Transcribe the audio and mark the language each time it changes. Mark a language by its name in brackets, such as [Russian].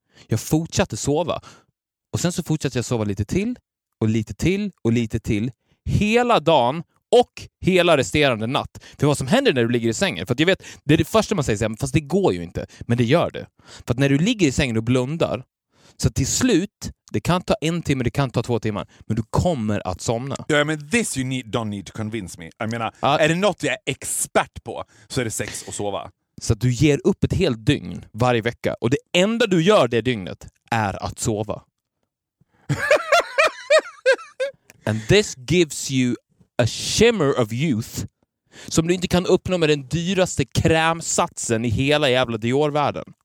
[Swedish] Jag fortsatte sova. Och sen så fortsatte jag sova lite till och lite till och lite till hela dagen och hela resterande natt. För vad som händer när du ligger i sängen, för att jag vet, det är det första man säger, fast det går ju inte, men det gör det. För att när du ligger i sängen och blundar, så till slut, det kan ta en timme, det kan ta två timmar, men du kommer att somna. [English] Ja, yeah, I mean, this you need, don't need to convince me. [Swedish] Jag menar, är det något jag är expert på, så är det sex och sova. Så att du ger upp ett helt dygn varje vecka, och det enda du gör det dygnet är att sova. [English] And this gives you a shimmer of youth [Swedish] som du inte kan uppnå med den dyraste krämsatsen i hela jävla Dior-världen.